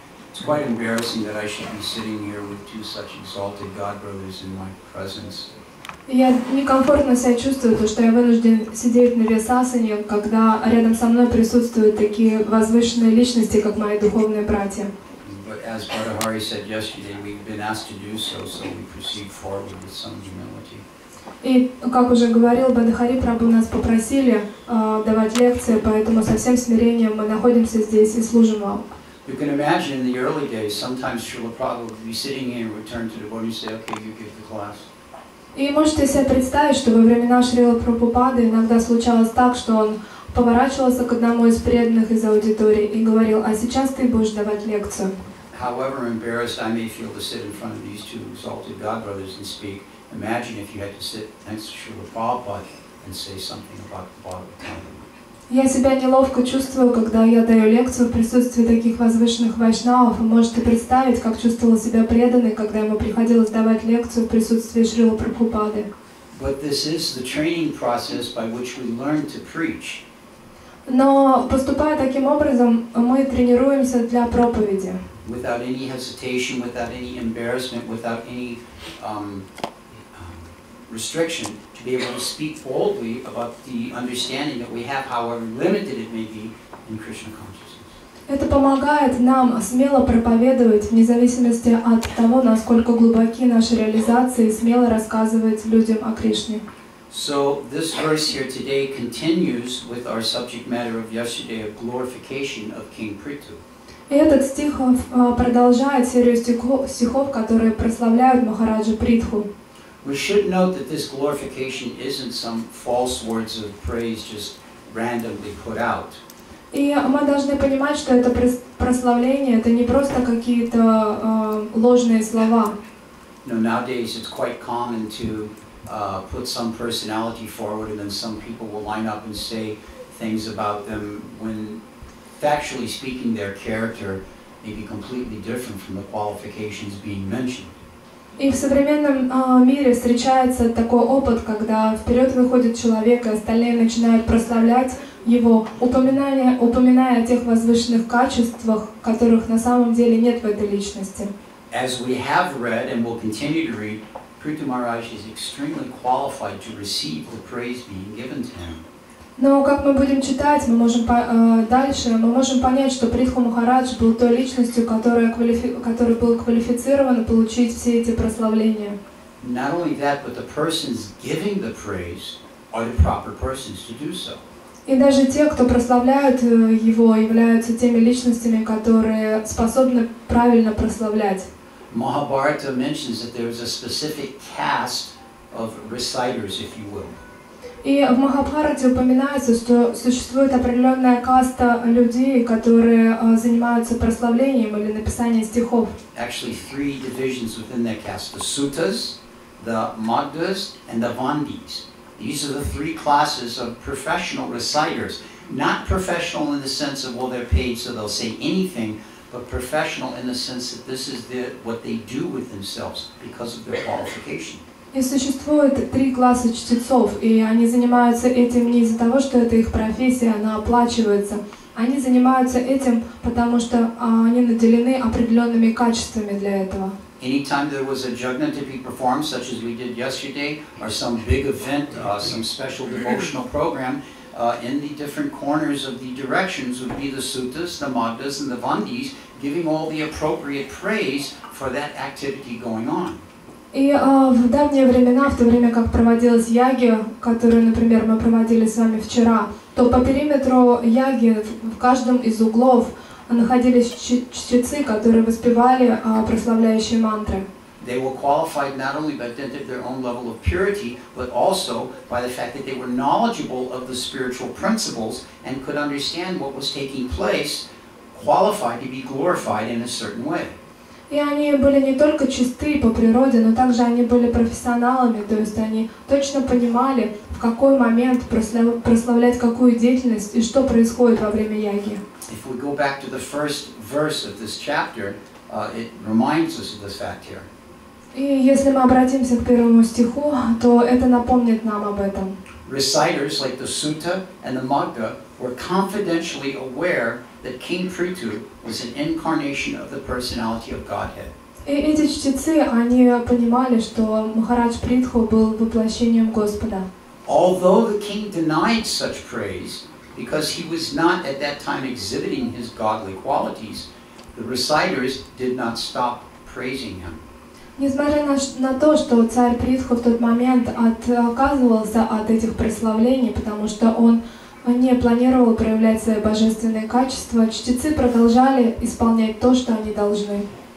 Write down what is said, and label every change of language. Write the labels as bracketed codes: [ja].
[en] It's quite embarrassing that I should be sitting here with two such exalted God brothers in my presence. [ru] Я некомфортно себя чувствую, то что я вынужден сидеть на Вьясасане, когда рядом со мной присутствуют такие возвышенные личности, как мои духовные братья. [en] But as Bhartahari said yesterday, we've been asked to do so, so we proceed forward with some humility. [ru] И, как уже говорил Бадхари Прабху, нас попросили давать лекции, поэтому со всем смирением мы находимся здесь и служим вам. [en] You can imagine in the early days, sometimes Srila Prabhupada would be sitting here and return to the board and say, okay, you give the class. [ru] И можете себе представить, что во времена Шрилы Прабхупады иногда случалось так, что он поворачивался к одному из преданных из аудитории и говорил, а сейчас ты будешь давать лекцию. [en] however embarrassed I may feel to sit in front of these two exalted God brothers and speak, imagine if you had to sit next to Srila Prabhupada and say something about the Bhagavatam. [ru] Я себе неловко чувствую, когда я даю лекцию в присутствии таких возвышенных вайшнавов. Вы можете представить, как чувствовал себя преданный, когда ему приходилось давать лекцию в присутствии Шрилы Прабхупады. [en] But this is the training process by which we learn to preach. [ru] Но поступая таким образом, мы тренируемся для проповеди. [en] Without any hesitation, without any embarrassment, without any restriction to be able to speak boldly about the understanding that we have, however limited it may be, in Krishna consciousness. [ru] Это помогает нам смело проповедовать, вне зависимости от того, насколько глубоки наши реализации, смело рассказывать людям о Кришне. [en] So this verse here today continues with our subject matter of yesterday, of glorification of King Prithu. [ru] И этот стих продолжает серию стихов, которые прославляют Махараджу Притху. [en] We should note that this glorification isn't some false words of praise just randomly put out. [ru] И мы должны понимать, что это прославление, это не просто какие-то ложные слова. [en] No, nowadays it's quite common to put some personality forward and then some people will line up and say things about them when factually speaking their character may be completely different from the qualifications being mentioned. [ru] И в современном мире встречается такой опыт, когда вперед выходит человек, и остальные начинают прославлять его, упоминая о тех возвышенных качествах, которых на самом деле нет в этой личности. [en] As we have read and will continue to read, Prithu Maharaj is extremely qualified to receive the praise being given to him. [ru] Но как мы будем читать, мы можем понять, что Притху Махарадж был той личностью, который был квалифицирован получить все эти прославления. [en] Not only that, but the persons giving the praise are the proper persons to do so. [ru] И даже те, кто прославляют его, являются теми личностями, которые способны правильно прославлять. [en] Mahabharata mentions that there is a specific caste of reciters, if you will. [ru] И в Махабхарате упоминается, что существует определенная каста людей, которые занимаются прославлением или написанием стихов. [en] Actually, three divisions within that caste: the Sutas, the Madhvas, and the Vandis. These are the three classes of professional reciters. Not professional in the sense of, well, they're paid so they'll say anything, but professional in the sense that this is what they do with themselves because of their qualification. [ru] И существует три класса чтецов, и они занимаются этим не из-за того, что это их профессия, она оплачивается. Они занимаются этим, потому что они наделены определенными качествами для этого. [en] Anytime there was a jagna to be performed, such as we did yesterday, or some big event, some special devotional program, in the different corners of the directions would be the suttas, the madhvas, and the vandis, giving all the appropriate praise for that activity going on. [ru] И в давние времена, в то время, как проводилась яги, которую, например, мы проводили с вами вчера, то по периметру яги в каждом из углов находились чтецы, которые воспевали прославляющие мантры. [en] They were qualified not only by their own level of purity, but also by the fact that they were knowledgeable of the spiritual principles and could understand what was taking place, qualified to be glorified in a certain way. [ru] И они были не только чисты по природе, но также они были профессионалами, то есть они точно понимали, в какой момент прославлять какую деятельность и что происходит во время яги. [en] If we go back to the first verse of this chapter, it reminds us of this fact here. [ru] И если мы обратимся к первому стиху, то это напомнит нам об этом. [en] Reciters like the Sutta and the Magda were confidentially aware that King Prithu was an incarnation of the personality of Godhead. [ru] И эти чтецы, они понимали, что Махарадж Притху был воплощением Господа. [en] Although the king denied such praise, because he was not at that time exhibiting his godly qualities, the reciters did not stop praising him. [ru] Несмотря на то, что царь Притху в тот момент отказывался от этих прославлений, потому что он не планировал проявлять свои божественные качества, чтецы продолжали исполнять то, что они должны.